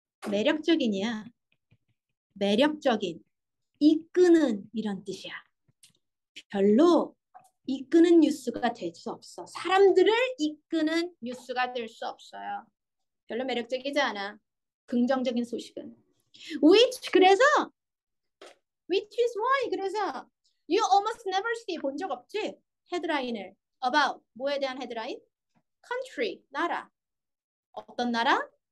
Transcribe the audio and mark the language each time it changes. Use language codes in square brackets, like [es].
[ko] 매력적이냐? 매력적인, 이끄는 이런 뜻이야. 별로 이끄는 뉴스가 될수 없어. 사람들을 이끄는 뉴스가 될수 없어요. 별로 매력적이지 않아. 긍정적인 소식은. [en] Which [ko] 그래서 [en] Which is why 그래서 you almost never see [ko] 본적 없지? 헤드라인을 [en] about [ko] 뭐에 대한 헤드라인? Country 나라 어떤 나라?